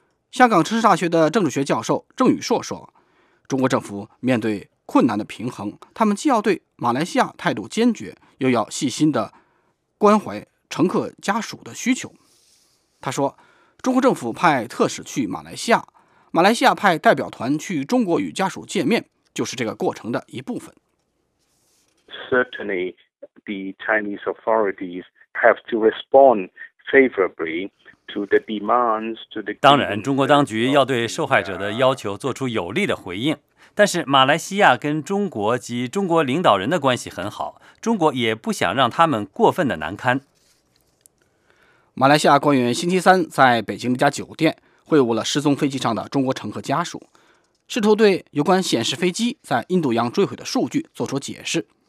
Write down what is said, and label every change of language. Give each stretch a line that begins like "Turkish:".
Chinese: 香港城市大学的政治学教授郑宇硕说，中国政府面对困难的平衡，他们既要对马来西亚态度坚决，又要细心地关怀乘客家属的需求。他说，中国政府派特使去马来西亚，马来西亚派代表团去中国与家属见面，就是这个过程的一部分。
English: certainly the Chinese authorities have to respond favorably to the demands.
Chinese: 当然，中国当局要对受害者的要求做出有力的回应。但是，马来西亚跟中国及中国领导人的关系很好，中国也不想让他们过分的难堪。马来西亚官员星期三在北京一家酒店会晤了失踪飞机上的中国乘客家属，试图对有关显示飞机在印度洋坠毁的数据做出解释。